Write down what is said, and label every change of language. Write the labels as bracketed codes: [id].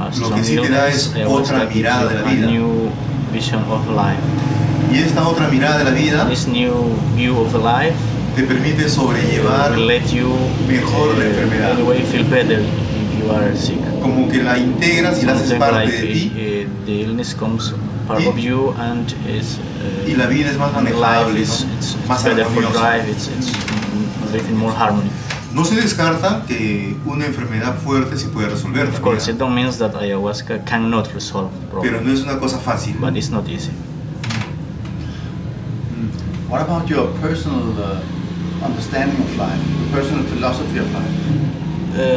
[es] lo que sí te da es otra mirada de la vida. [en] A new vision of life. [es] Y esta otra mirada de la vida, [en] this new view of life, [es] te permite sobrellevar mejor la enfermedad. [en] Anyway, feel better if you are sick. [es] Como que la integras y la haces parte de ti. [en] The illness comes part of you and is. [es] Y la vida es más manejable, [en] it's, [es] ¿no? [en] It's [es] más [en] armoniosa. It's living more harmony. [es] No se descarta que una enfermedad fuerte se puede resolver. [en] Of course, it don't means that ayahuasca cannot resolve problems. [es] Pero no es una cosa fácil. [en] But it's not easy. What about your personal understanding of life, your personal philosophy of life?